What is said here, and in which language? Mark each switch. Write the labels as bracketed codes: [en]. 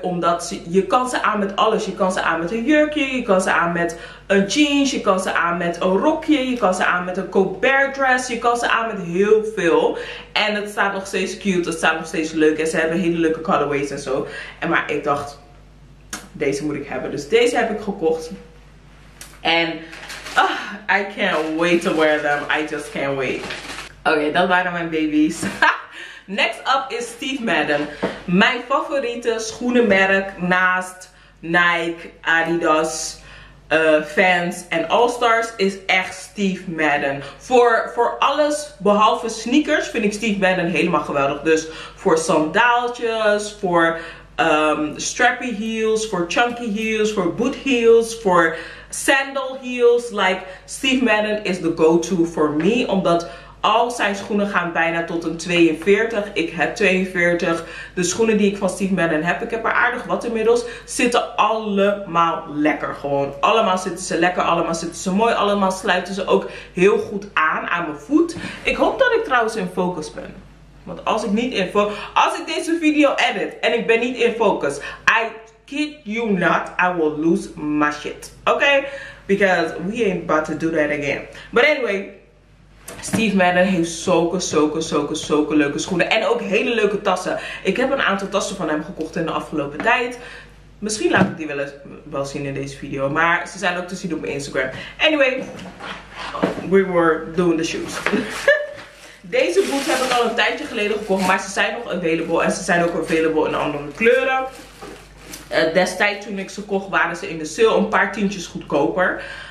[nl] Omdat je kan ze aan met alles. Je kan ze aan met een jurkje. Je kan ze aan met een jeans. Je kan ze aan met een rokje. Je kan ze aan met een Colbert dress. Je kan ze aan met heel veel. En het staat nog steeds cute. Het staat nog steeds leuk. En ze hebben hele leuke colorways en zo. En maar ik dacht, deze moet ik hebben. Dus deze heb ik gekocht. En [en] I can't wait to wear them. I just can't wait. [nl] Oké, dat waren mijn baby's. Next up is Steve Madden. Mijn favoriete schoenenmerk naast Nike, Adidas, Vans en All-Stars is echt Steve Madden. Voor alles behalve sneakers vind ik Steve Madden helemaal geweldig. Dus voor sandaaltjes, voor strappy heels, voor chunky heels, voor boot heels, voor sandal heels. [en] Like, Steve Madden [nl] is de [en] go-to for me. [nl] Omdat al zijn schoenen gaan bijna tot een 42. Ik heb 42. De schoenen die ik van Steve Madden heb, ik heb er aardig wat inmiddels, zitten allemaal lekker gewoon. Allemaal zitten ze lekker, allemaal zitten ze mooi. Allemaal sluiten ze ook heel goed aan mijn voet. Ik hoop dat ik trouwens in focus ben. Want als ik niet in focus, als ik deze video edit en ik ben niet in focus, [en] I kid you not, I will lose my shit. Okay? Because we ain't about to do that again. But anyway, [nl] Steve Madden heeft zulke leuke schoenen. En ook hele leuke tassen. Ik heb een aantal tassen van hem gekocht in de afgelopen tijd. Misschien laat ik die wel zien in deze video. Maar ze zijn ook te zien op mijn Instagram. [en] Anyway, we were doing the shoes. [nl] Deze boots heb ik al een tijdje geleden gekocht, maar ze zijn nog available. En ze zijn ook available in andere kleuren. Destijds toen ik ze kocht, waren ze in de sale een paar tientjes goedkoper.